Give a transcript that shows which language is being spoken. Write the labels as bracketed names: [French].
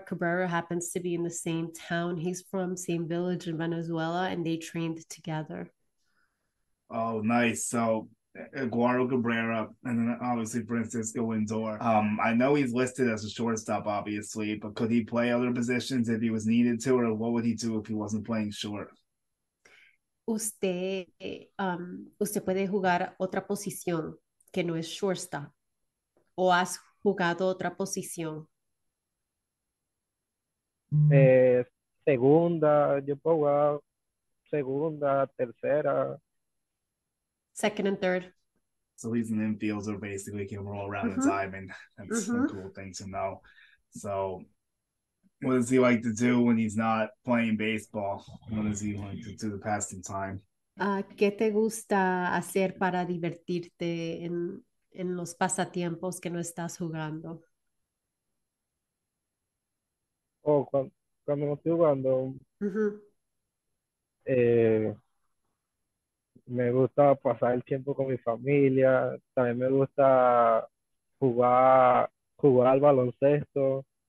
[English] Cabrera happens to be in the same town. He's from same village in Venezuela, and they trained together. Oh, nice. So, Eduardo Cabrera and then obviously Francisco Lindor. I know he's listed as a shortstop, obviously, but could he play other positions if he was needed to, or what would he do if he wasn't playing short? [Spanish] Usted puede jugar otra posición que no es shortstop, o has jugado otra posición. Segunda, yo puedo jugar segunda, tercera. [English] Second and third. So he's an infielder, basically can roll around the diamond. That's a cool thing to know. So what does he like to do when he's not playing baseball? What does he like to do to pass the time? [Spanish] ¿Qué te gusta hacer para divertirte en los pasatiempos que no estás jugando? Oh, cuando no estoy jugando, me gusta pasar el tiempo con mi familia, también me gusta jugar al baloncesto.